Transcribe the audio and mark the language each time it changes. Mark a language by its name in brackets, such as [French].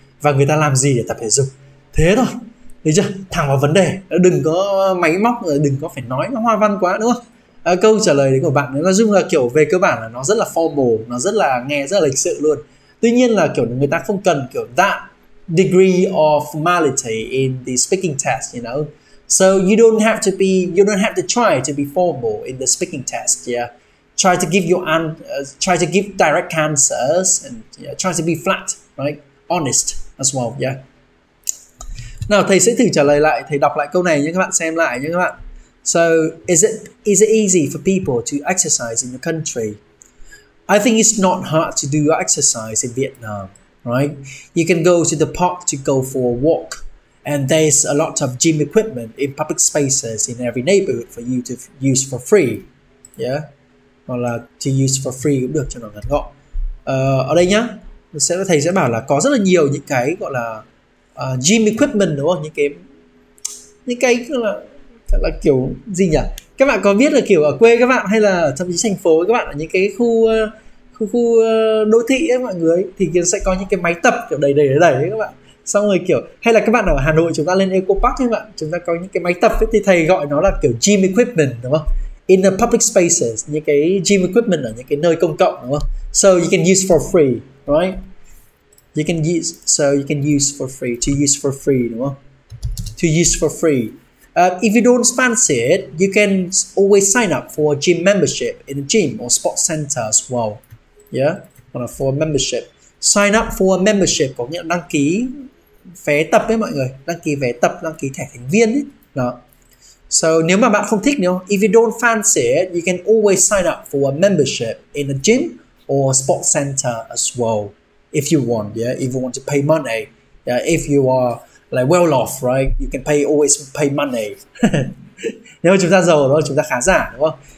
[Vietnamese] Và người ta làm gì để tập thể dục? Thế thôi, thấy chưa? Thẳng vào vấn đề, đừng có máy móc, đừng có phải nói nó hoa văn quá đúng không? Câu trả lời đấy của bạn, nói chung là kiểu về cơ bản là nó rất là formal, nó rất là nghe rất là lịch sự luôn. Tuy nhiên là kiểu người ta không cần kiểu [English] that degree of formality in the speaking test, you know. So you don't have to try to be formal in the speaking test, yeah. Try to give your try to give direct answers and yeah, try to be flat, right? Honest as well, yeah. [Vietnamese] Nào thầy sẽ thử trả lời lại, thầy đọc lại câu này nhé các bạn, xem lại nhé các bạn. [English] So is it easy for people to exercise in your country? I think it's not hard to do exercise in Vietnam, right? You can go to the park to go for a walk, and there's a lot of gym equipment in public spaces in every neighborhood for you to use for free. Yeah? [Vietnamese] Hoặc là [English] to use for free [Vietnamese] cũng được cho nó ngắn gọn. Ở đây nhá, thầy sẽ bảo là có rất là nhiều những cái gọi là gym equipment đúng không? Những cái là kiểu gì nhỉ? Các bạn có biết là kiểu ở quê các bạn hay là thậm chí thành phố các bạn ở những cái khu đô thị ấy mọi người, thì sẽ có những cái máy tập kiểu đầy các bạn. Xong rồi kiểu hay là các bạn ở Hà Nội chúng ta lên Eco Park các bạn, chúng ta có những cái máy tập ấy, thì thầy gọi nó là kiểu gym equipment đúng không? [English] In the public spaces, [Vietnamese] những cái gym equipment ở những cái nơi công cộng đúng không? [English] So you can use for free, right? You can use for free [Vietnamese] đúng không? [English] To use for free. If you don't fancy it, you can always sign up for a gym membership in a gym or sports center as well. Yeah, for a membership. Sign up for a membership [Vietnamese] có nghĩa là đăng ký vé tập ấy mọi người, đăng ký vé tập, đăng ký thẻ thành viên ấy. Đó. [English] So [Vietnamese] nếu mà bạn không thích nữa, [English] if you don't fancy it, you can always sign up for a membership in a gym or a sports center as well. If you want, yeah, if you want to pay money, yeah, if you are like well off, right, you can always pay money. [Vietnamese] Nếu mà chúng ta giàu đó, chúng ta khá giả đúng không?